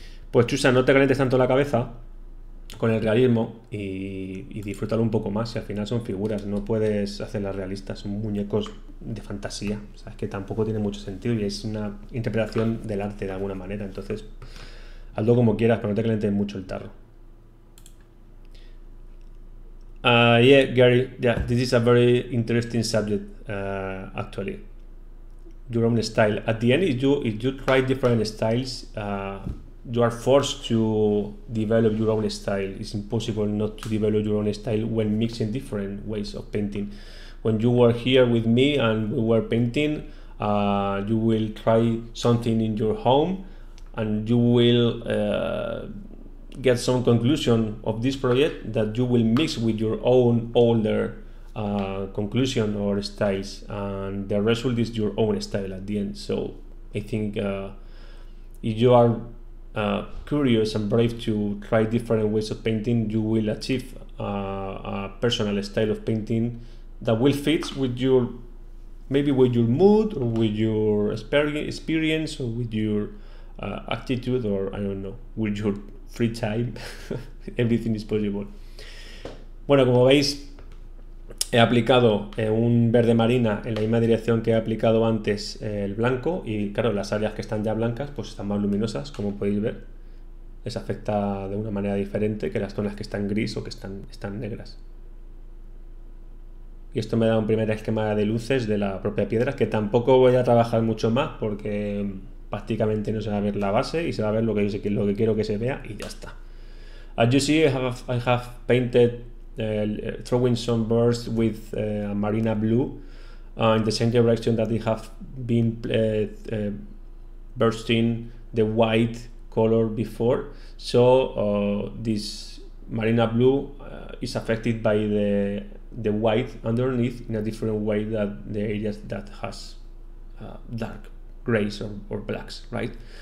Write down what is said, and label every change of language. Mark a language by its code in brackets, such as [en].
[es] Pues Chusa, no te calientes tanto la cabeza con el realismo y disfrútalo un poco más. Si al final son figuras, no puedes hacerlas realistas, son muñecos de fantasía, o sabes que tampoco tiene mucho sentido y es una interpretación del arte de alguna manera. Entonces, hazlo como quieras, pero no te calientes mucho el tarro. [en] Gary, this is a very interesting subject, actually. Your own style. At the end, if you try different styles, you are forced to develop your own style. It's impossible not to develop your own style when mixing different ways of painting. When you were here with me and we were painting, you will try something in your home and you will get some conclusion of this project that you will mix with your own older conclusion or styles, and the result is your own style at the end. So I think if you are curious and brave to try different ways of painting, you will achieve a personal style of painting that will fit with your, maybe with your mood or with your experience or with your attitude, or I don't know, with your free time. Everything is possible. [es] Bueno, como veis, he aplicado un verde marina en la misma dirección que he aplicado antes el blanco, y claro, las áreas que están ya blancas pues están más luminosas, como podéis ver. Les afecta de una manera diferente que las zonas que están gris o que están negras. Y esto me da un primer esquema de luces de la propia piedra, que tampoco voy a trabajar mucho más porque prácticamente no se va a ver la base y se va a ver lo que quiero que se vea y ya está. [en] As you see, I have painted throwing some birds with marina blue in the same direction that they have been bursting the white color before. So this marina blue is affected by the white underneath in a different way than the areas that has dark grays or blacks, right?